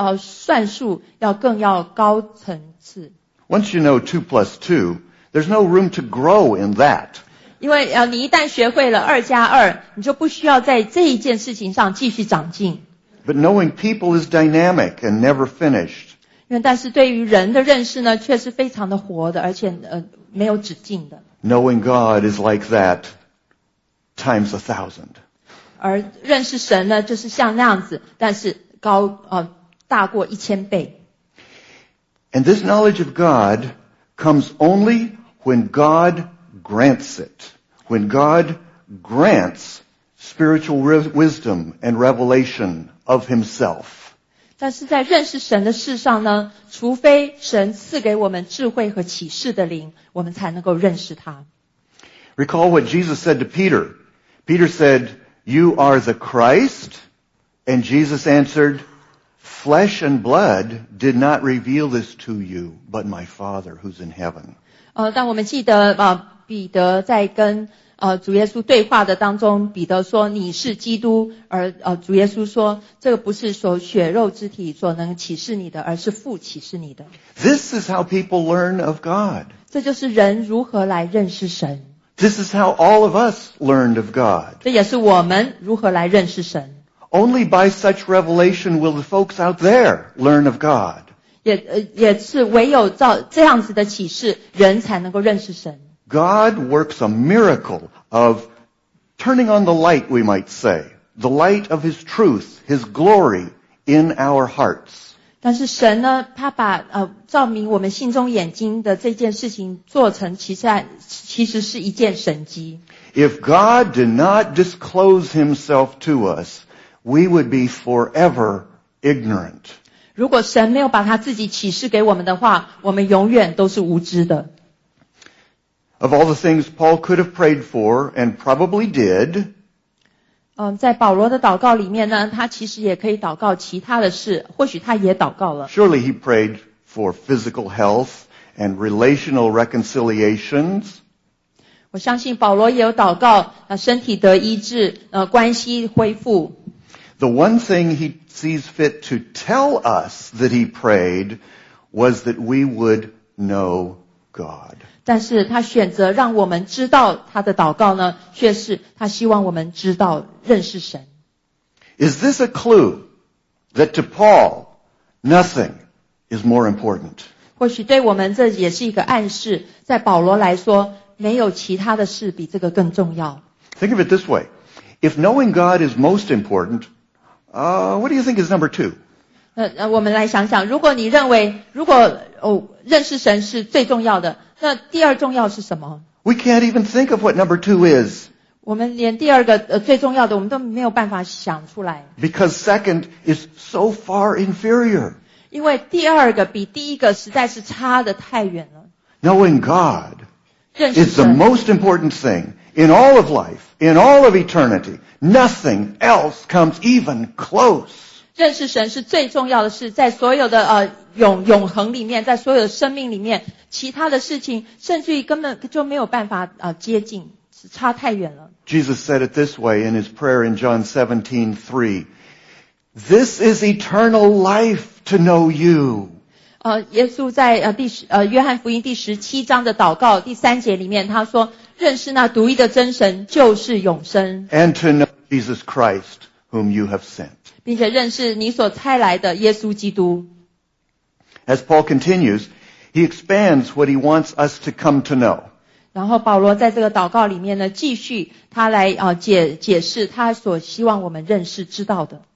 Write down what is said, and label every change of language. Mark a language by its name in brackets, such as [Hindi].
[Chinese] 就好像我们认识人，我们认识人，这比我们认识算术要更要高层次。 [English] Once you know 2 plus 2, there's no room to grow in that. [Chinese] 因为你一旦学会了 2 加 2, 你就不需要在这一件事情上继续长进。 [English] But knowing people is dynamic and never finished. [Chinese] 但是对于人的认识呢，却是非常的活的，而且没有止境的。 [English] Knowing God is like that, times a thousand. [Chinese] 而认识神呢，就是像那样子，但是高大过一千倍。 [English] And this knowledge of God comes only when God grants it. When God grants spiritual wisdom and revelation of Himself. [Chinese] 但是在认识神的事上呢，除非神赐给我们智慧和启示的灵，我们才能够认识他。 [English] Recall what Jesus said to Peter. Peter said, "You are the Christ." And Jesus answered, "Flesh and blood did not reveal this to you, but my Father who's in heaven." [Chinese] 当我们记得彼得在跟主耶稣对话的当中，彼得说你是基督，而主耶稣说这个不是说血肉之体所能启示你的，而是父启示你的。 [English] This is how people learn of God. [Chinese] 这就是人如何来认识神。 [English] This is how all of us learned of God. [Chinese] 这也是我们如何来认识神。 [English] Only by such revelation will the folks out there learn of God. [Chinese] 也是唯有照这样子的启示，人才能够认识神。 [English] God works a miracle of turning on the light, we might say, the light of His truth, His glory in our hearts. [Chinese] 但是神呢，他把照明我们心中眼睛的这件事情做成，其实是一件神迹。 [English] If God did not disclose Himself to us, we would be forever ignorant. [Chinese] 如果神没有把他自己启示给我们的话，我们永远都是无知的。 [English] Of all the things Paul could have prayed for and probably did, [Chinese] 在保罗的祷告里面呢，他其实也可以祷告其他的事，或许他也祷告了。 [English] Surely he prayed for physical health and relational reconciliations. [Chinese] 我相信保罗也有祷告，身体得医治，关系恢复。 [English] The one thing he sees fit to tell us that he prayed was that we would know God. [Chinese] 但是他选择让我们知道他的祷告呢，却是他希望我们知道认识神。 [English] Is this a clue that to Paul, nothing is more important? [Chinese] 或许对我们这也是一个暗示，在保罗来说，没有其他的事比这个更重要。 [English] Think of it this way. If knowing God is most important, what do you think is number two? [Chinese] 我们来想想，如果你认为，如果认识神是最重要的，那第二重要是什么？ [English] We can't even think of what number two is. [Chinese] 我们连第二个最重要的我们都没有办法想出来。 [English] Because second is so far inferior. [Chinese] 因为第二个比第一个实在是差得太远了。 [English] Knowing God is the most important thing in all of life, in all of eternity. Nothing else comes even close. [Chinese] 认识神是最重要的事，在所有的永恒里面，在所有的生命里面，其他的事情甚至于根本就没有办法接近，是差太远了。 [English] Jesus said it this way in his prayer in John 17:3. This is eternal life to know you. [Chinese] 耶稣在约翰福音第十七章的祷告第三节里面，他说：“认识那独一的真神就是永生。” [English] And to know Jesus Christ whom you have sent. [Chinese] 并且认识你所差来的耶稣基督。 [English] As Paul continues, he expands what he wants us to come to know. [Chinese] 然后保罗在这个祷告里面呢，继续他来解释他所希望我们认识知道的。